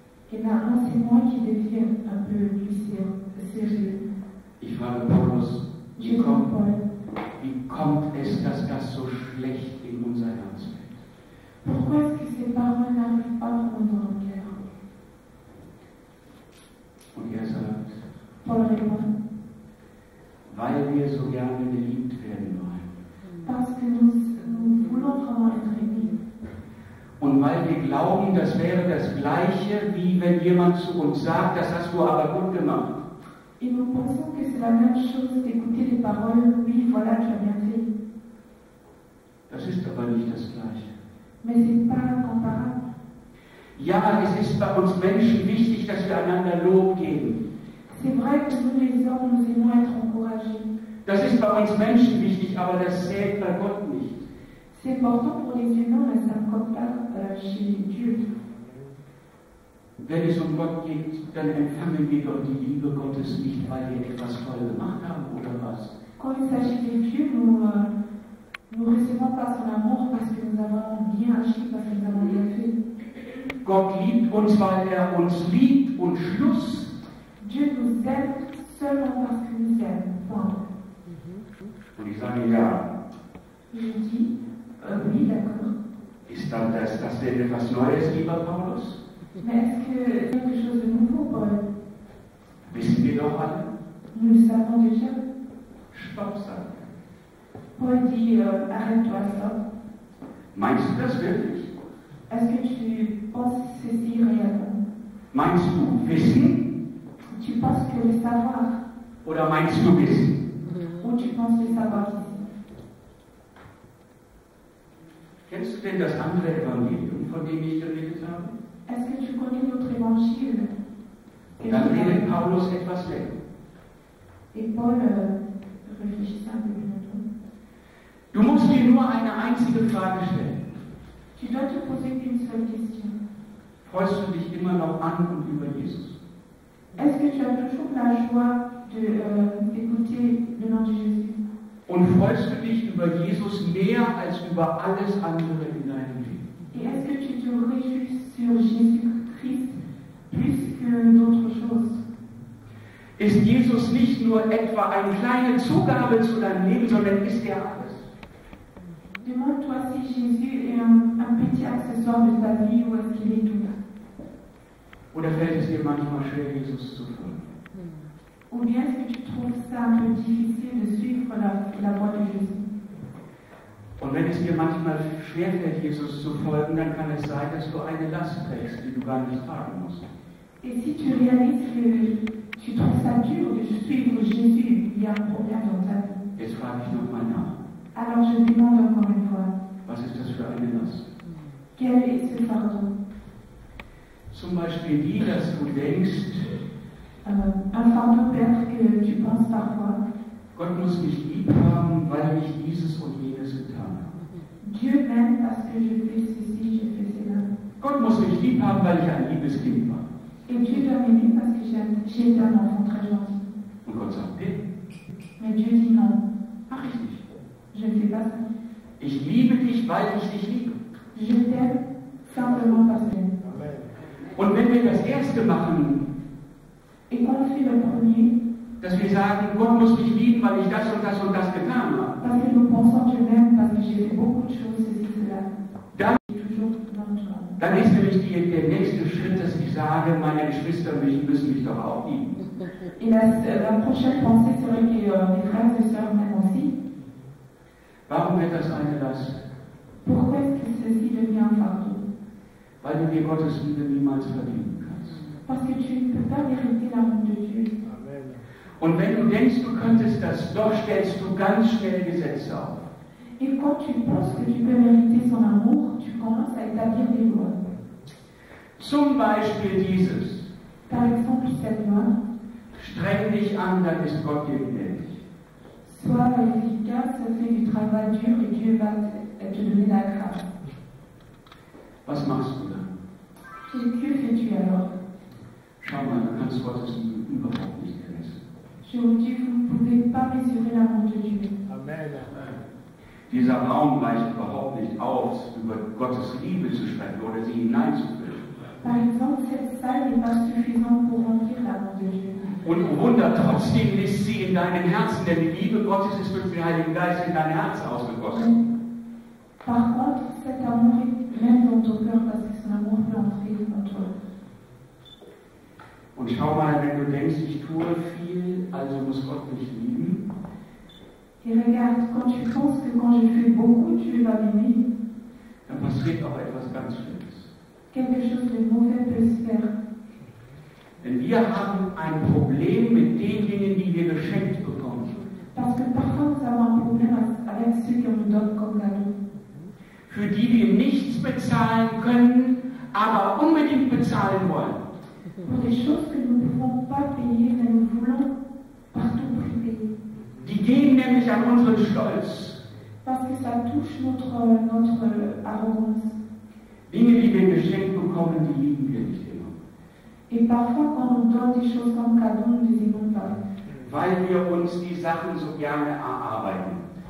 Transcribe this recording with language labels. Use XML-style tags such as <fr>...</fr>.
<de>Genau,</de> <fr>c'est moi qui deviens un peu plus sérieux.</fr> <de>Ich frage Paulus, wie kommt es, dass das so schlecht in unser Herz fällt?</de> <fr>Pourquoi est-ce que ces paroles n'arrivent pas dans notre cœur?</fr> <de>Und er sagt,</de> <fr>Paul répond,</fr> <de>weil wir so gerne geliebt werden wollen.</de> <fr>Parce que nous voulons vraiment être aimés.</fr> <de>Und weil wir glauben, das wäre das Gleiche, wie wenn jemand zu uns sagt, das hast du aber gut gemacht.</de> <fr>Et nous pensons que c'est la même chose d'écouter les paroles « Oui, voilà, tu as bien fait. »</fr> <de>Das ist aber nicht das Gleiche.</de> <fr>Mais ce n'est pas comparable.</fr> <de>Ja, es ist bei uns Menschen wichtig, dass wir einander Lob geben.</de> <fr>C'est vrai que nous les hommes, nous aimons être encouragés.</fr> <de>Das ist bei uns Menschen wichtig, aber das zählt bei Gott nicht.</de> <fr>C'est important pour les humains, mais ça ne compte pas chez Dieu.</fr> <de>Wenn es um Gott geht, dann empfangen wir doch die Liebe Gottes nicht, weil wir etwas toll gemacht haben, oder was?</de> <fr>Quand il s'agit des Dieu, nous recevons pas son amour, parce que nous avons bien agi, parce que nous avons bien fait.</fr> <de>Gott liebt uns, weil uns liebt, und Schluss.</de> <fr>Dieu nous aime seulement parce que nous aime. Point.</fr> <de>Und ich sage ja.</de> <fr>Je dis, oui, d'accord.</fr> <de>Ist dann das denn etwas Neues, lieber Paulus?</de> <fr>Mais est-ce que quelque chose de nouveau, Paul?</fr> <de>Wissen wir doch alle?</de> <fr>Nous le savons déjà.</fr> <de>Stopp, sag.</de> <fr>Paul dit, arrête-toi, stop.</fr> <de>Meinst du das wirklich?</de> <fr>Est-ce que tu penses ceci réellement?</fr> <de>Meinst du wissen?</de> <fr>Tu penses que le savoir?</fr> <de>Oder meinst du wissen?</de> <fr>Ou tu penses le savoir ici?</fr> <de>Kennst du denn das andere Evangelium, von dem ich dir gesagt habe?</de> <fr>Est-ce que tu connais notre évangile? Et</fr> <de>dann redet Paulus etwas länger.</de> <fr>Et Paul réfléchit un peu longtemps.</fr> <de>Du musst dir nur eine einzige Frage stellen.</de> <fr>Tu dois te poser une seule question.</fr> <de>Freust du dich immer noch an und über Jesus?</de> <fr>Est-ce que tu as toujours la joie d'écouter le nom de Jésus?</fr> <de>Und freust du dich über Jesus mehr als über alles andere in deinem Leben?</de> <fr>Et est-ce que tu te réjouis sur Jésus-Christ plus que d'autres choses?</fr> <de>Ist Jesus nicht nur etwa eine kleine Zugabe zu deinem Leben, sondern ist er alles?</de> <fr>Demande-toi si Jésus est un petit accessoire de ta vie ou est-ce qu'il est tout?</fr> <de>Oder fällt es dir manchmal schwer, Jesus zu folgen?</de> <fr>Ou bien est-ce que tu trouves ça un peu difficile de suivre la voie de Jésus?</fr> <de>Und wenn es dir manchmal schwerfällt, Jesus zu folgen, dann kann es sein, dass du eine Last trägst, die du gar nicht tragen musst.</de> <fr>Et si tu réalises que tu trouves ça dur de suivre Jésus, il y a un problème dans ta vie.</fr> <de>Jetzt frage ich nochmal nach.</de> <fr>Alors je demande encore une fois.</fr> <de>Was ist das für eine Last?</de> <fr>Quel est ce fardeau?</fr> <de>Zum Beispiel die, dass du denkst.</de> <fr>Un fardeau père que tu penses parfois.</fr> <de>Gott muss mich lieb haben, weil ich dieses und jenes getan habe.</de> <fr>Dieu m'aime parce que je fais ceci, je fais cela.</fr> <de>Gott muss mich lieb haben, weil ich ein liebes Kind war.</de> <fr>Et Dieu doit m'aimer parce que j'ai été un enfant très gentil.</fr> <de>Und Gott sagt, nee.</de> <fr>Mais Dieu dit non.</fr> <de>Mach ich nicht.</de> <fr>Je ne fais pas ça.</fr> <de>Ich liebe dich, weil ich dich liebe.</de> <fr>Je t'aime simplement parce que.</fr> <de>Und wenn wir das Erste machen.</de> <fr>Et quand on fait le premier.</fr> <de>Dass wir sagen, Gott muss mich lieben, weil ich das und das und das getan habe.</de> <fr>Parce que nous pensons que même parce que j'ai fait beaucoup de choses et cela.</fr> <de>Dann ist nämlich der nächste Schritt, dass ich sage, meine Geschwister müssen mich doch auch lieben.</de> <fr>Et la prochaine pensée serait que mes frères et sœurs m'aiment aussi.</fr> <de>Warum wird das eine Last?</de> <fr>Pourquoi est-ce que ceci devient un fardeau?</fr> <de>Weil du dir Gottes Liebe niemals verdienen kannst.</de> <fr>Parce que tu ne peux pas mériter l'amour de Dieu.</fr> <de>Und wenn du denkst, du könntest das, doch stellst du ganz schnell Gesetze auf.</de> <fr>Et quand tu penses que tu peux mériter son amour, tu commences à établir des lois.</fr> <de>Zum Beispiel dieses.</de> <fr>Par exemple, cette loi.</fr> <de>Streng dich an, dann ist Gott dir gnädig.</de> <fr>Sois efficace, fais du travail dur et Dieu va te donner la grâce.</fr> <de>Was machst du dann?</de> <fr>Et que fais-tu alors?</fr> <de>Schau mal, du kannst Gottes Liebe überhaupt nicht messen.</de> <fr>Je vous dis, vous ne pouvez pas mesurer l'amour de Dieu.</fr> <de>Amen. Dieser Raum reicht überhaupt nicht aus, über Gottes Liebe zu sprechen oder sie hineinzufüllen.</de> <fr>Par exemple, cette salle n'est pas suffisante pour remplir l'amour de Dieu.</fr> <de>Und Wunder trotzdem lässt sie in deinem Herzen, denn die Liebe Gottes ist durch den Heiligen Geist in dein Herz ausgegossen.</de> <fr>Par contre, cet amour est même dans ton cœur, parce que son amour peut entrer en toi.</fr> <de>Und schau mal, wenn du denkst, ich tue viel, also muss Gott mich lieben.</de> <fr>Et regarde, quand tu penses que quand je fais beaucoup, tu vas m'aimer.</fr> <de>Dann passiert auch etwas ganz Schlimmes.</de> <fr>Quelque chose de mauvais peut se faire.</fr> <de>Denn wir haben ein Problem mit den Dingen, die wir geschenkt bekommen.</de> <fr>Parce que parfois nous avons un problème avec ceux qui nous donnent comme cadeau.</fr> <de>Für die wir nichts bezahlen können, aber unbedingt bezahlen wollen.</de> <fr>Pour des choses que nous ne pouvons pas payer, mais nous voulons partout payer.</fr> <de>Die gehen nämlich an unseren Stolz.</de> <fr>Parce que ça touche notre arrogance.</fr> <de>Dinge, die wir geschenkt bekommen, die lieben wir nicht.</de> <fr>Et parfois, quand on donne des choses comme cadeau, nous ne les aimons pas.</fr> <de>Weil wir uns die Sachen so gerne erarbeiten.</de>